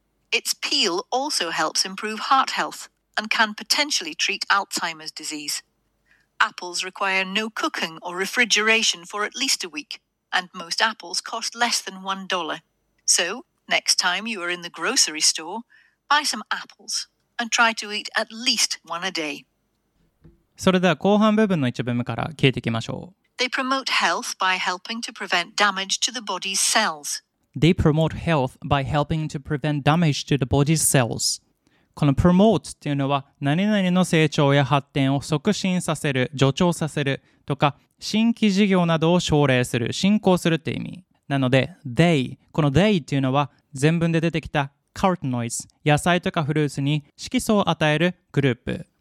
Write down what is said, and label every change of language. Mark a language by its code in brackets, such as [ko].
[en] Its peel also helps improve heart health and can potentially treat Alzheimer's disease. Apples require no cooking or refrigeration for at least a week, and most apples cost less than $1. So, next time you are in the grocery store, buy some apples and try to eat at least one a day. [ja] それでは後半部分の一部分から聞いていきましょう。 [en] They promote health by helping to prevent damage to the body's cells. They promote health by helping to prevent damage to the body's cells. [ja] この promote っていうのは何々の成長や発展を促進させる、助長させるとか新規事業などを奨励する、進行するって意味なので they、この they っていうのは全文で出てきた carotenoids、野菜とかフルーツに色素を与えるグループ